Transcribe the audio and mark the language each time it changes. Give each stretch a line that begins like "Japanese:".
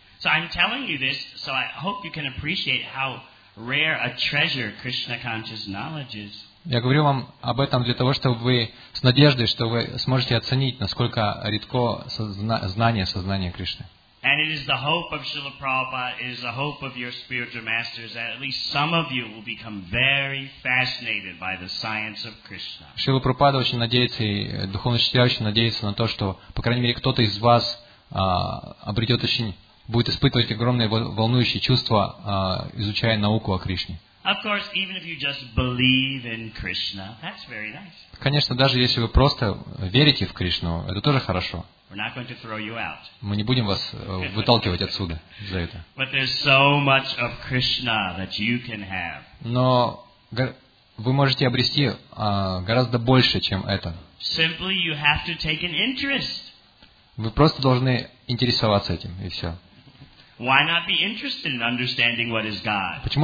English: So I'm telling you this, so I hope you can appreciate how rare a treasure Krishna conscious knowledge is.
Russian: Я говорю вам об этом для того, чтобы вы с надеждой, что вы сможете оценить, насколько редко сознание Кришны.
English: And it is the hope of Srila Prabhupada, it is the hope of your spiritual masters that at least some of you will become very fascinated by the science of Krishna.
Russian: Srila Prabhupada очень надеется, и духовный учитель очень надеется на то, что, по крайней мере, кто-то из вас обретет очень... будет испытывать огромное волнующее чувство, изучая науку о Кришне.
English: Of course, even if you just believe in Krishna, that's very nice.
Russian: Конечно, даже если вы просто верите в Кришну, это тоже хорошо.
English: We're not going to throw you out.
Russian: Мы не будем вас выталкивать отсюда за это.
English: But there's so much of Krishna that you can have.
Russian: Но вы можете обрести гораздо больше, чем это.
English: Simply you have to take an interest.
Russian: Вы просто должны интересоваться этим, и все.
English: Why not be interested in understanding what is God?